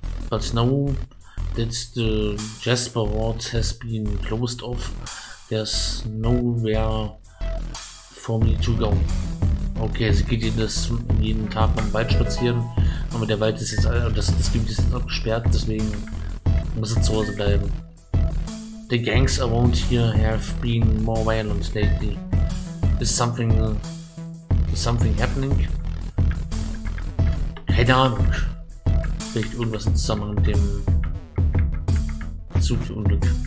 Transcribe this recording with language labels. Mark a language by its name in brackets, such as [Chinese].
[English] But now that the Jasper Ward has been closed off, there's nowhere for me to go. [German] Okay, sie geht jeden Tag am Wald spazieren, aber der Wald ist jetzt, das Gebiet ist jetzt abgesperrt, deswegen muss sie zu Hause bleiben. [English] The gangs around here have been more violent lately. Is something happening? [German] Keine Ahnung. Vielleicht irgendwas im Zusammenhang mit dem Zugunglück.